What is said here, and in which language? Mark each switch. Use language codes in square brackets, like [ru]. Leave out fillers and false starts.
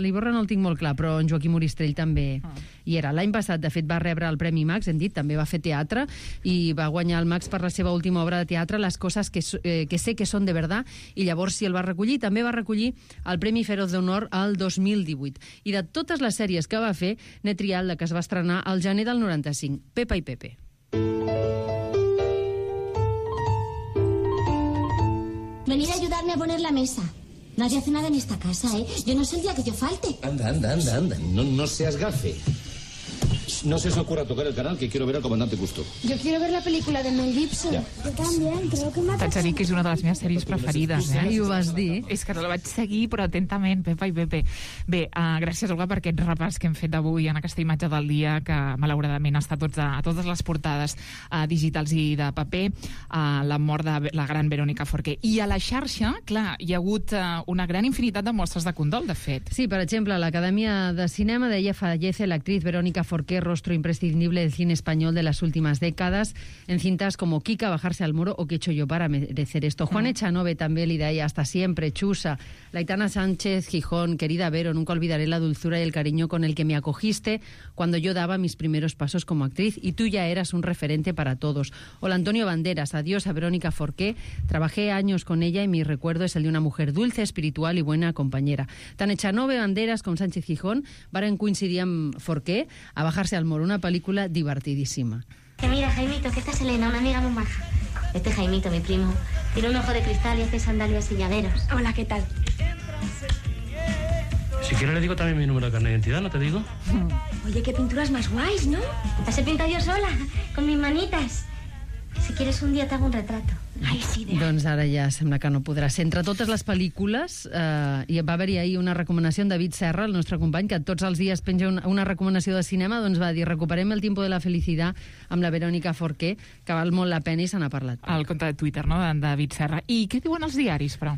[ca] L'Iborra no el tinc molt clar, però en Joaquim Oristrell també. I era l'any passat, de fet, va rebre el Premi Max, hem dit, també va fer teatre, i va guanyar el Max per la seva última obra de teatre, Les coses que sé que són de verdad, i llavors sí, el va recollir. També va recollir el Premi Feroz d'Honor al 2018. I de totes les sèries que va fer, n'he triat la que es va estrenar al gener del 95, Pepa i Pepe. [es] Venir a ayudarme a poner la mesa. Nadie hace nada en esta casa, ¿eh? Yo no sé el día que yo falte. Anda. No seas gafe. No se os ocurra tocar el canal, que quiero ver al comandante Custo. Yo quiero ver la película de Mel Gibson. Yo también, creo que me ha... [ca] T'haig de dir que és una de les meves sèries preferides, eh? I ho vas dir. És que no la vaig seguir, però atentament, Pepa i Pepe. Bé, gràcies, Olga, per aquest repàs que hem fet avui en aquesta imatge del dia, que malauradament està a totes les portades digitals i de paper, la mort de la gran Verònica Forqué. I a la xarxa, clar, hi ha hagut una gran infinitat de mostres de condol, de fet. Sí, per exemple, l'Acadèmia de Cinema deia [es] fallece l'actriz Verónica Forqué, rostro imprescindible del cine español de las últimas décadas, en cintas como Kika, Bajarse al muro o Que he hecho yo para merecer esto. Juan Echanove también le da ahí Hasta siempre, Chusa, Laitana Sánchez Gijón, Querida Vero, nunca olvidaré la dulzura y el cariño con el que me acogiste cuando yo daba mis primeros pasos como actriz y tú ya eras un referente para todos. Hola Antonio Banderas, adiós a Verónica Forqué, trabajé años con ella y mi recuerdo es el de una mujer dulce, espiritual y buena compañera. [ca] Tan Echanove Banderas [es] con [ca] Sánchez Gijón, varen coincidir amb Forqué, a Bajar al Moro, [es] una película divertidísima. Que mira, Jaimito, que esta es Elena, una amiga muy maja. Este Jaimito, mi primo, tiene un ojo de cristal y hace sandalias y llaveros. Hola, ¿qué tal? Si quieres le digo también mi número de carnet de identidad, ¿no te digo? Oye, qué pinturas más guays, ¿no? Las he pintado yo sola, con mis manitas. Si quieres un día te hago un retrato. [ca] Doncs ara ja sembla que no podrà ser. Entre totes les pel·lícules, hi va haver-hi ahir una recomanació en David Serra, el nostre company, que tots els dies penja una recomanació de cinema, doncs va dir recuperem el tiempo de la felicidad amb la Verónica Forqué, que val molt la pena i se n'ha parlat. El compte de Twitter, no?, d'en David Serra. I què diuen els diaris, però?